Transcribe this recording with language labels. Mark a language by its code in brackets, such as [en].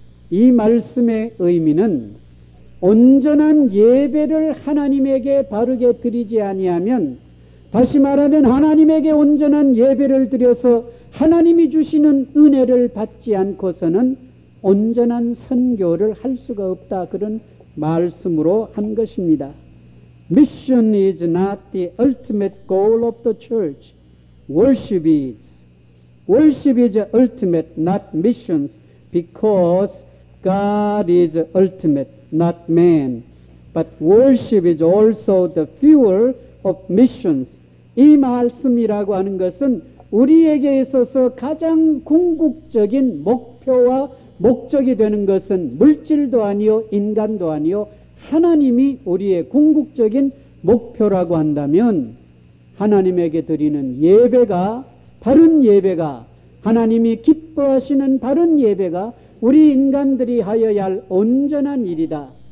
[ko] 이 말씀의 의미는 온전한 예배를 하나님에게 바르게 드리지 아니하면, 다시 말하면 하나님에게 온전한 예배를 드려서 하나님이 주시는 은혜를 받지 않고서는 온전한 선교를 할 수가 없다, 그런 말씀으로 한 것입니다. [en] Mission is not the ultimate goal of the church. Worship is. Worship is ultimate, not missions, because God is ultimate, not man. But worship is also the fuel of missions. [ko] 이 말씀이라고 하는 것은 우리에게 있어서 가장 궁극적인 목표와 목적이 되는 것은 물질도 아니요 인간도 아니요 하나님이 우리의 궁극적인 목표라고 한다면, 하나님에게 드리는 예배가, 바른 예배가, 하나님이 기뻐하시는 바른 예배가 우리 인간들이 하여야 할 온전한 일이다.